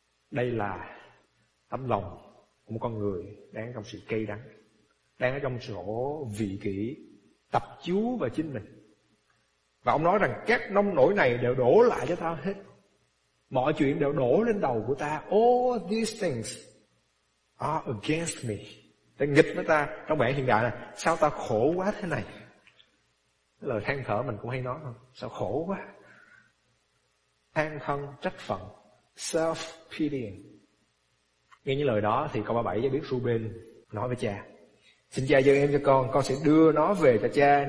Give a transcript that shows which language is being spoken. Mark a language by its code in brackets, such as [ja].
[vi] Đây là tấm lòng của một con người đang trong sự cay đắng, đang ở trong chỗ vị kỷ, tập chú vào chính mình. Và ông nói rằng các nông nỗi này đều đổ lại cho tao hết. Mọi chuyện đều đổ lên đầu của ta. [en] All these things are against me. [vi] Để nghịch với ta. Trong bản hiện đại là sao ta khổ quá thế này. Lời than thở mình cũng hay nói không? Sao khổ quá. Than thân trách phận. Self-pitying. Nghe những lời đó thì câu 37 cho biết Ruben nói với cha, xin cha dâng em cho con sẽ đưa nó về cho cha.